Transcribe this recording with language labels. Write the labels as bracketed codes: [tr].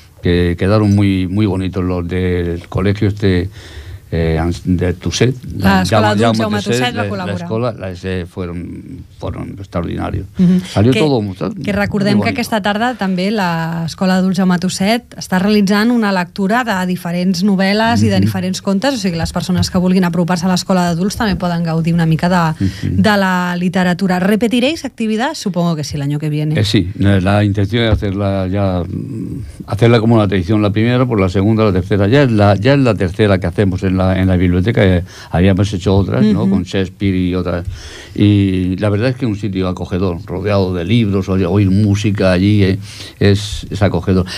[es] que quedaron muy, muy bonitos los del colegio este de Tusset. La escuela de Jaume Tusset, la col·laboració. La escola, fueron extraordinarios. Mm-hmm. Salió que, todo mucho. [ca] Que recordem que aquesta tarda també l'escola de Jaume Tusset està realitzant una lectura de diferents novel·les mm-hmm. i de diferents contes, o sigui, les persones que vulguin apropar-se a l'escola d'adults també poden gaudir una mica de, mm-hmm. [es] de la literatura. ¿Repetiréis actividad? Supongo que sí, [ca] l'any que [es] viene. Sí, la intención es hacerla ya, hacerla como una tradición, la primera, pues la segunda, la tercera. Ya es la tercera que hacemos en la biblioteca, habíamos hecho otras, ¿no? Uh-huh. Con Shakespeare y otras. Y la verdad es que es un sitio acogedor, rodeado de libros, oír música allí, es acogedor.